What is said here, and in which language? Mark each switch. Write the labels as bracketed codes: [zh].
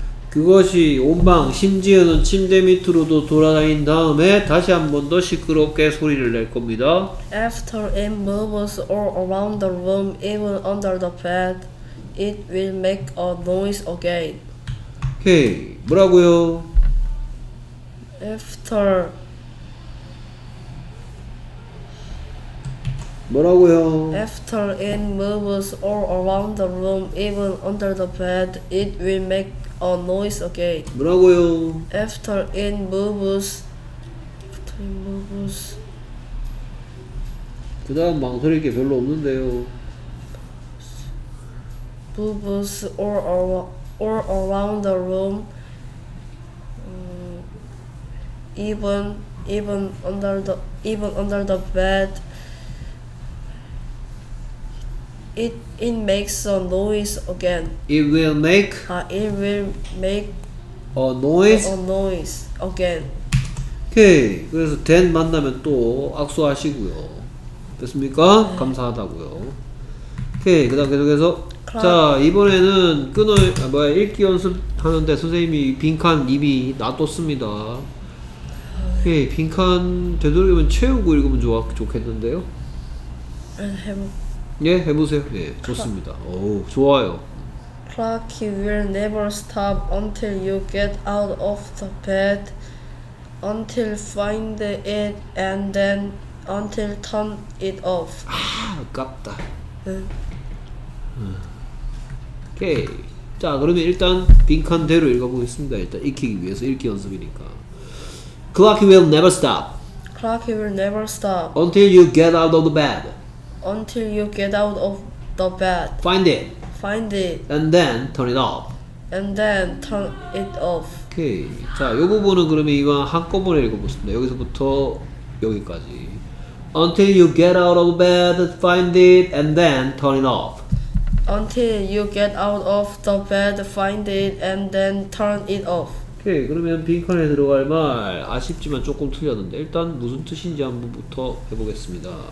[ko] 그것이 온 방, 심지어는 침대 밑으로도 돌아다닌 다음에 다시 한 번 더 시끄럽게 소리를 낼 겁니다. [en] After it moves all around the room, even under the bed, it will make a noise again. [ko] Okay, 뭐라고요? [en] After [ko] 뭐라고요? [en] After it moves all around the room, even under the bed, it will make a noise again. [ko] 뭐라고요? [en] After it moves, after it moves. [ko] 그 다음 망설일 게 별로 없는데요. [en] Moves all around the room, even under the bed. It makes a noise again. It will make a noise again. Okay. [ko] 그래서 then 만나면 또 악수하시고요. 됐습니까? 네. 감사하다고요. Okay. 그다음 계속해서 자 이번에는 읽기 연습하는데 선생님이 빈칸 입이 놔뒀습니다. [en] Okay. [ko] 빈칸 되도록이면 채우고 읽으면 좋겠는데요. 예, 해보세요. 예, 좋습니다. 오, 좋아요. [en] Clock will never stop until you get out of the bed, until find it, and then until turn it off. [ko] 아, 아깝다. 오케이. 자, 그러면 일단 빈칸대로 읽어보겠습니다. 일단 익히기 위해서 읽기 연습이니까. [en] Clock will never stop. Clock will never stop. Until you get out of the bed. Until you get out of the bed. Find it. And then turn it off. And then turn it off. Okay. [ko] 자, 요 부분은 그러면 이번 한꺼번에 읽어보겠습니다. 여기서부터 여기까지. [en] Until you get out of bed, find it, and then turn it off. Until you get out of the bed, find it, and then turn it off. Okay. [ko] 그러면 빈칸에 들어갈 말 아쉽지만 조금 틀렸는데 일단 무슨 뜻인지 한번부터 해보겠습니다.